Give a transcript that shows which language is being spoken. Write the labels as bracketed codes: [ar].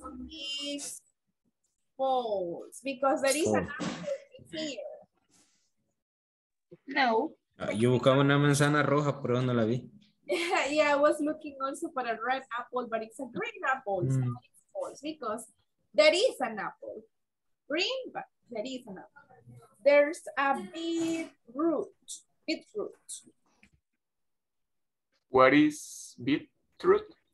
[en] It's false because there is an apple here. No. [es] Yo buscaba una manzana roja, pero no la vi. [en] Yeah, I was looking also for a red apple, but it's a green apple. So it's false because there is an apple. Green, but there is an apple. There's a beetroot. Beetroot. What is beetroot?